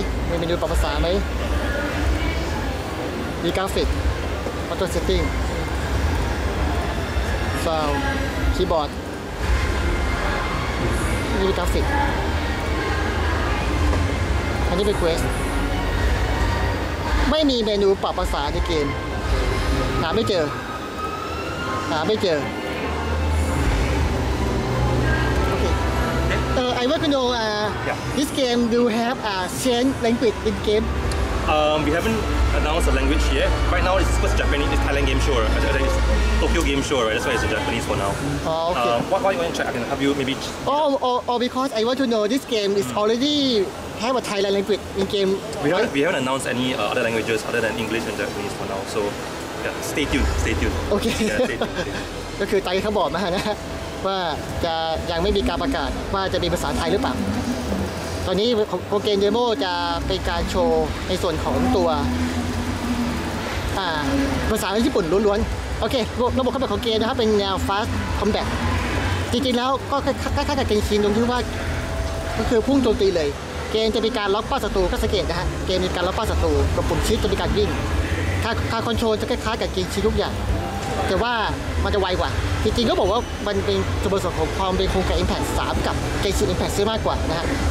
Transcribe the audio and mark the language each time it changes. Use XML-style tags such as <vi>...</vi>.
<th>มีเมนูปรับภาษาไหมมีกราฟิกออโต้เซตติ้งเฝ้าคีย์บอร์ดนี่มีกราฟิกอันนี้เป็นเควสไม่มีเมนูปรับภาษาในเกมหาไม่เจอหาไม่เจอโอเค</th> <en>I want to know Yeah. This game, do you have a Chinese language in game? We haven't announced the language yet. Right now, it's supposed to be Japanese. It's Thailand game show, right? It's Tokyo game show, right? That's why it's in Japanese for now. Oh, okay. Why you want to try? I can help you maybe. Or because I want to know this game is already have a Thailand language in game. We haven't announced any other languages other than English and Japanese for now. So, yeah, stay tuned. Okay.</en> <th>ก็คือไต้เขาบอกมานะว่าจะยังไม่มีการประกาศว่าจะมีภาษาไทยหรือเปล่าตอนนี้โปรเกมเดโมจะเป็นการโชว์ในส่วนของตัว ภาษาญี่ปุ่นล้วนๆโอเคระบบเข้าแบบของเกมนะครับเป็นแนว fast combat จริงๆแล้วก็คล้ายๆกับเกมชินตรงที่ว่าก็คือพุ่งโจมตีเลยเกมจะมีการล็อกเป้าศัตรูก็สังเกตนะฮะเกมมีการล็อกเป้าศัตรูกับปุ่มชี้จะมีการวิ่งคาคอนโทรลจะคล้ายๆกับเกมชินทุกอย่างแต่ว่ามันจะไวกว่าจริงๆก็บอกว่ามันเป็นส่วนผสมของความเป็นโครงการ Impact 3กับ Genshin Impact ซื้อมากกว่านะฮะ</th>